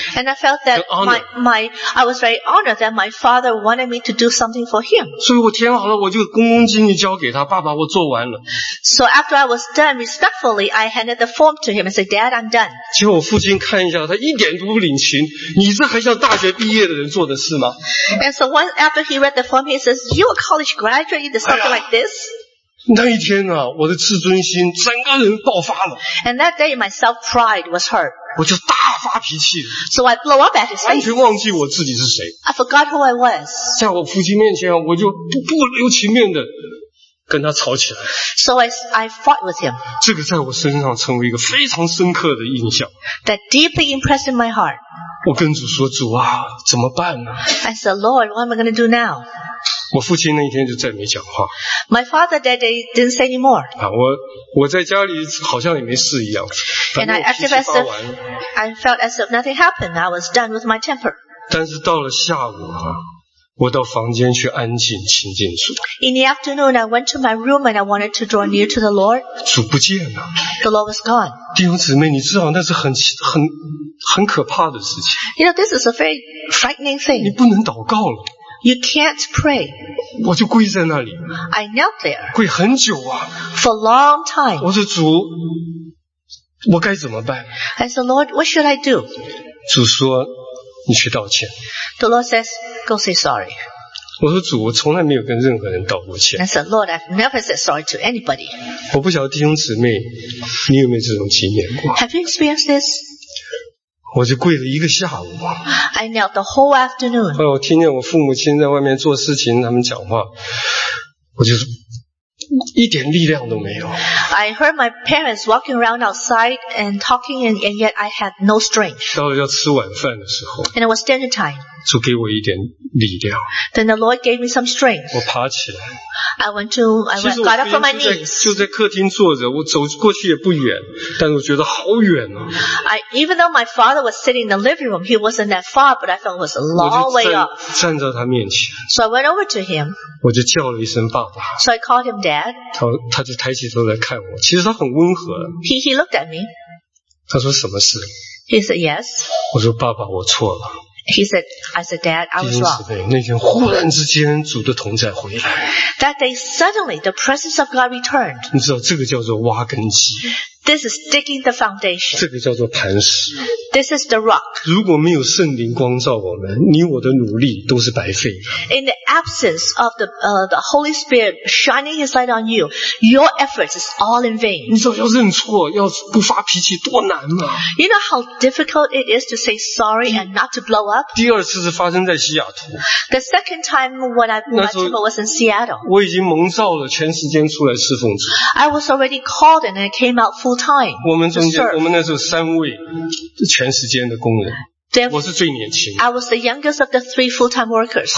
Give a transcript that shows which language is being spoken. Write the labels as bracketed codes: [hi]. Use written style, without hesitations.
[en] And I felt that I was very honored that my father wanted me to do something for him. [zh] 所以我填好了，我就恭恭敬敬交给他，爸爸，我做完了。 [en] So after I was done respectfully, I handed the form to him and said, Dad, I'm done. [zh] 结果我父亲看一下，他一点都不领情，你这还像大学毕业的人做的事吗 [en] ？And so once after he read the form, he says, You a college graduate, you did something like this? [zh] 那一天啊，我的自尊心整个人爆发了。 [en] And that day, my self-pride was hurt. [zh] 我就大发脾气。 [en] So I blew up at his face. [zh] 完全忘记我自己是谁。 [en] I forgot who I was. [zh] 在我父亲面前啊，我就不留情面的跟他吵起来。 [en] So I fought with him. [zh] 这个在我身上成为一个非常深刻的印象。 [en] That deeply impressed in my heart. [zh] 我跟主说，主啊，怎么办呢 [en] ？I said, Lord, what am I going to do now? [zh] 我父亲那一天就再没讲话。 [en] My father that day didn't say anymore. [zh] 啊，我在家里好像也没事一样。 [en] And I acted as if I felt as if nothing happened. I was done with my temper. [zh] 但是到了下午啊，我到房间去安静亲近主。 [en] In the afternoon, I went to my room and I wanted to draw near to the Lord. [zh] 主不见了。 [en] The Lord was gone. [zh] 弟兄姊妹，你知道那是很可怕的事情。 [en] You know, this is a very frightening thing. [zh] 你不能祷告了。 [en] You can't pray. [zh] 我就跪在那里。 [en] I knelt there. [zh] 跪很久啊。 [en] For a long time. [zh] 我说主，我该怎么办 [en] ？I said, Lord, what should I do? [zh] 主说，你去道歉。 [en] The Lord says, go say sorry. [zh] 我说主，我从来没有跟任何人道过歉。 [en] I said, Lord, I've never said sorry to anybody. [zh] 我不晓得弟兄姊妹，你有没有这种经验过 [en] ？Have you experienced this? [zh] 我就跪了一个下午。 [en] I knelt the whole afternoon. [zh] 哎，我听见我父母亲在外面做事情，他们讲话，我就一点力量都没有。 [en] I heard my parents walking around outside and talking, and yet I had no strength. [zh] 到了要吃晚饭的时候 [en] ，and it was dinner time. [zh] 主给我一点力量。 [en] Then the Lord gave me some strength. [zh] 我爬起来。 [en] I got up from my knees. [zh] 就在客厅坐着，我走过去也不远，但是我觉得好远啊。 [en] Even though my father was sitting in the living room, he wasn't that far, but I felt it was a long way up. [zh] 站在他面前。 [en] So I went over to him. [zh] 我就叫了一声爸爸。 [en] So I called him dad. [zh] 他就抬起头来看我，其实他很温和。 [en] He looked at me. [zh] 他说什么事 [en] ？He said yes. [zh] 我说爸爸，我错了。 [en] I said, Dad, I was wrong. [zh] 那天忽然之间，主的同在回来。 [en] That day, suddenly, the presence of God returned. [zh] 你知道这个叫做挖根基。 [en] This is digging the foundation. [zh] 这个叫做磐石。 [en] This is the rock. [zh] 如果没有圣灵光照我们，你我的努力都是白费的。 [en] In the absence of the Holy Spirit shining His light on you, your efforts is all in vain. [zh] 你知道要认错，要不发脾气多难吗 [en] ？You know how difficult it is to say sorry and not to blow up. [zh] 第二次是发生在西雅图。 [en] The second time when I was in Seattle. [zh] 我已经蒙召了，全时间出来侍奉主。 [en] I was already called and I came out. Full-time, [zh] 我们中间，我们那时候三位全时间的工人， [en] then, [zh] 我是最年轻的。 [en] I was the youngest of the three full-time workers.、